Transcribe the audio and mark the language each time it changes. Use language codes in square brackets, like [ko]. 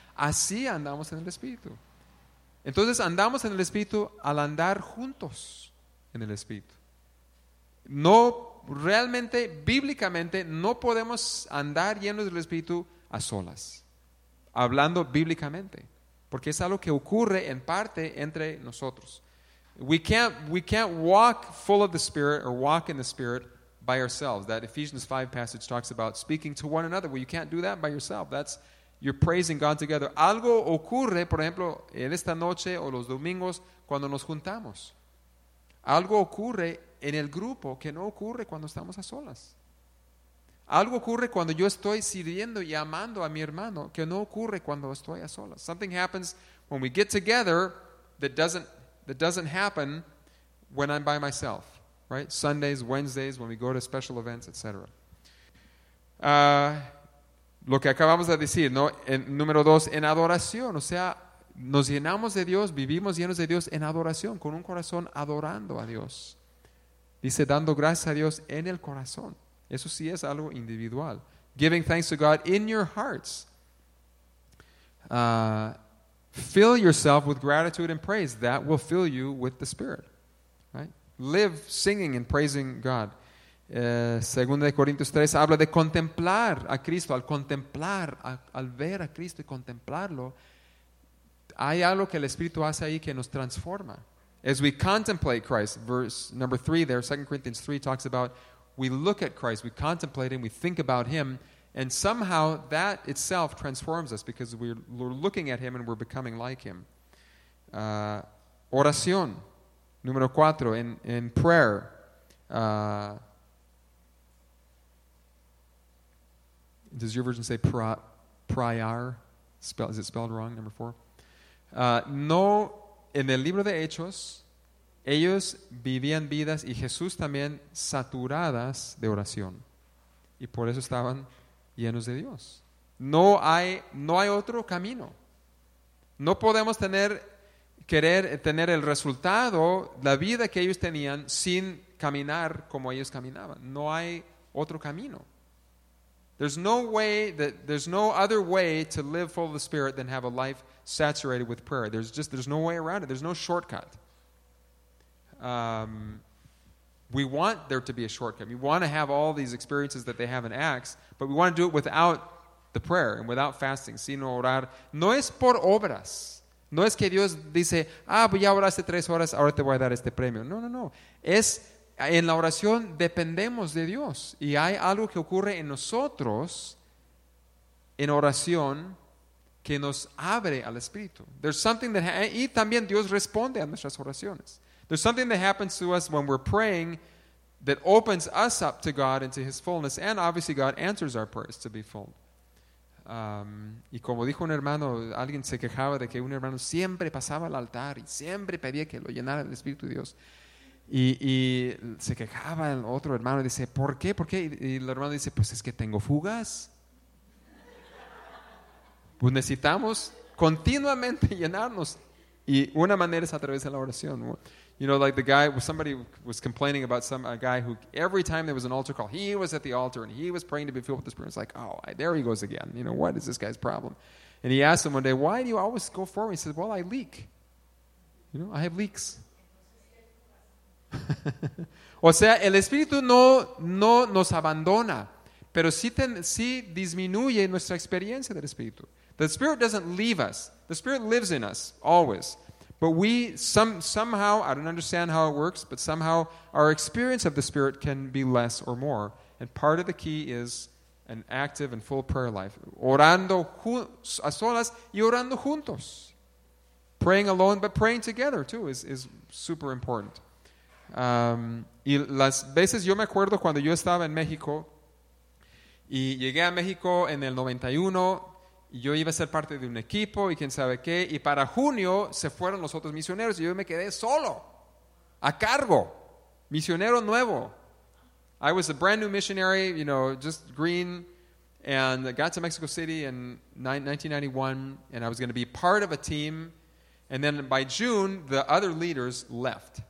[es] Así andamos en el Espíritu. Entonces, andamos en el Espíritu al andar juntos en el Espíritu. No, realmente, bíblicamente, no podemos andar llenos del Espíritu a solas, hablando bíblicamente. Porque es algo que ocurre en parte entre nosotros. [en] We can't walk full of the Spirit or walk in the Spirit by ourselves. That Ephesians 5 passage talks about speaking to one another. Well, you can't do that by yourself. That's, you're praising God together. [es] Algo ocurre, por ejemplo, en esta noche o los domingos cuando nos juntamos. Algo ocurre en el grupo que no ocurre cuando estamos a solas. Algo ocurre cuando yo estoy sirviendo y amando a mi hermano que no ocurre cuando estoy a solas. [en] Something happens when we get together that doesn't happen when I'm by myself, right? Sundays, Wednesdays, when we go to special events, etc. [es] Lo que acabamos de decir, ¿no? En, número dos, en adoración. O sea, nos llenamos de Dios, vivimos llenos de Dios en adoración, con un corazón adorando a Dios. Dice, dando gracias a Dios en el corazón. Eso sí es algo individual. [en] Giving thanks to God in your hearts. Fill yourself with gratitude and praise. That will fill you with the Spirit. Right? Live singing and praising God. [es] 2 Corintios 3 habla de contemplar a Cristo. Al contemplar, al ver a Cristo y contemplarlo, hay algo que el Espíritu hace ahí que nos transforma. [en] As we contemplate Christ, verse number 3 there, 2 Corinthians 3 talks about, we look at Christ, we contemplate Him, we think about Him, and somehow that itself transforms us because we're looking at Him and we're becoming like Him. [es] Oración, número 4, [en] in prayer. Does your version say prior? Is it spelled wrong, number 4? [es] No, en el libro de Hechos, ellos vivían vidas, y Jesús también, saturadas de oración. Y por eso estaban llenos de Dios. No hay otro camino. No podemos querer tener el resultado, la vida que ellos tenían, sin caminar como ellos caminaban. No hay otro camino. [en] There's no other way to live full of the Spirit than have a life saturated with prayer. There's no way around it. There's no shortcut. We want there to be a shortcut. We want to have all these experiences that they have in Acts, but we want to do it without the prayer and without fasting. [es] Sino orar. No es por obras. No es que Dios dice, pues ya oraste 3 horas, ahora te voy a dar este premio. No. Es en la oración dependemos de Dios y hay algo que ocurre en nosotros en oración que nos abre al Espíritu. [en] There's something that [es] y también Dios responde a nuestras oraciones. [en] There's something that happens to us when we're praying that opens us up to God and to His fullness, and obviously God answers our prayers to be full. [es] Y como dijo un hermano, alguien se quejaba de que un hermano siempre pasaba al altar y siempre pedía que lo llenara el Espíritu de Dios. Y se quejaba el otro hermano y dice, ¿por qué? ¿Por qué? Y el hermano dice, pues es que tengo fugas. Pues necesitamos continuamente llenarnos. Y una manera es a través de la oración. [en] You know, like the guy, somebody was complaining about a guy who every time there was an altar call, he was at the altar and he was praying to be filled with the Spirit. It's like, oh, there he goes again. You know, what is this guy's problem? And he asked him one day, why do you always go forward? He said, well, I leak. You know, I have leaks. [es] O sea, el Espíritu no nos abandona, pero sí disminuye nuestra experiencia del Espíritu. [en] The Spirit doesn't leave us. The Spirit lives in us, always. But we somehow, I don't understand how it works, but somehow our experience of the Spirit can be less or more. And part of the key is an active and full prayer life. [es] Orando a solas y orando juntos. [en] Praying alone, but praying together too is super important. [es] Y las veces yo me acuerdo cuando yo estaba en México y llegué a México en el 91 y yo iba a ser parte de un equipo y quién sabe qué, y para junio se fueron los otros misioneros y yo me quedé solo a cargo, misionero nuevo. [en] I was a brand new missionary, you know, just green, and I got to Mexico City in 1991, and I was going to be part of a team. And then by June, the other leaders left.